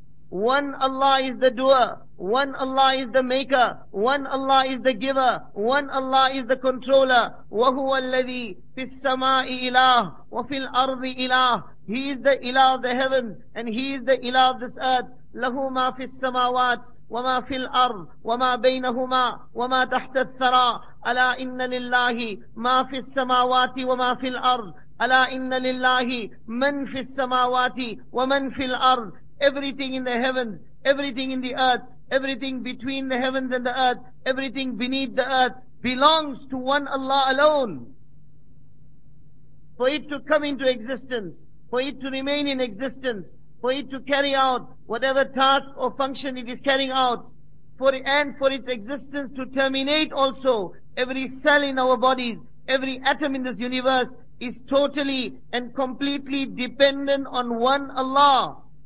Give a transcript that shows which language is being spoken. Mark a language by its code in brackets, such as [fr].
[en] One Allah is the doer, one Allah is the maker, one Allah is the giver, one Allah is the controller. [ar] وَهُوَ الَّذِي فِي السَّمَاءِ إِلَهِ وَفِي الْأَرْضِ إِلَهِ [en] He is the ilah of the heavens and He is the ilah of this earth. [ar] لَهُ مَا فِي السَّمَاوَاتِ وَمَا فِي الْأَرْضِ وَمَا بَيْنَهُمَا وَمَا تَحْتَ الثَّرَى أَلَا إِنَّ لِلَّهِ مَا فِي السَّمَاوَاتِ وَمَا فِي الْأَرْضِ أَلَا إِنَّ لِلَّهِ مَنْ فِي السَّمَاوَاتِ وَمَنْ فِي الْأَرْضِ [en] Everything in the heavens, everything in the earth, everything between the heavens and the earth, everything beneath the earth belongs to one Allah alone. For it to come into existence, for it to remain in existence, for it to carry out whatever task or function it is carrying out, for its existence to terminate also, every cell in our bodies, every atom in this universe is totally and completely dependent on one Allah.